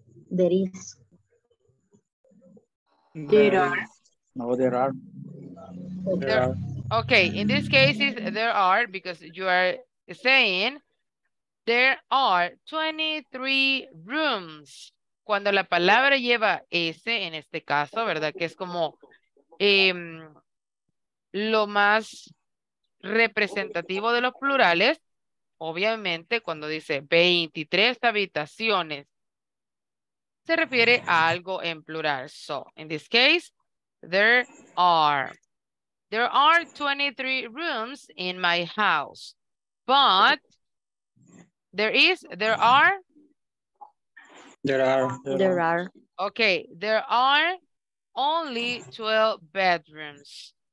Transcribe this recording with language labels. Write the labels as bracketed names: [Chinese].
[English] There is. There are. No, there are. There are. Okay, in this case, is there are, because you are saying there are 23 rooms. [Spanish] Cuando la palabra lleva S, en este caso, ¿verdad? Que es como lo más representativo de los plurales. Obviamente, cuando dice 23 habitaciones, se refiere a algo en plural. [English] So, in this case, there are 23 rooms in my house, but there are. Okay, there are only 12 bedrooms.